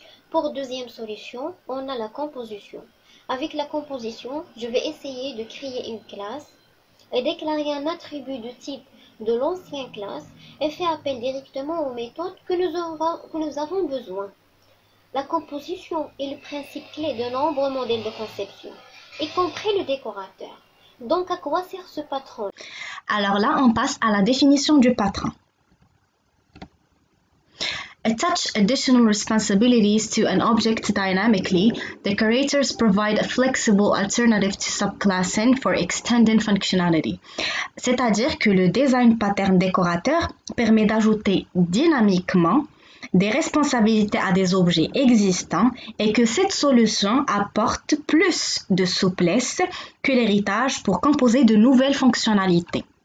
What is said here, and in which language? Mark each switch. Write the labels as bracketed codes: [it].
[fr] Pour deuxième solution, on a la composition. Avec la composition, je vais essayer de créer une classe et déclarer un attribut du type de l'ancienne classe et faire appel directement aux méthodes que nous avons besoin. La composition est le principe clé de nombreux modèles de conception, y compris le décorateur. Donc à quoi sert ce patron? Alors là, on passe à la définition du patron. [en] Attach additional responsibilities to an object dynamically, the creators provide a flexible alternative to subclassing for extended functionality. [fr] C'est-à-dire que le design pattern décorateur permet d'ajouter dynamiquement des responsabilités à des objets existants et que cette solution apporte plus de souplesse que l'héritage pour composer de nouvelles fonctionnalités.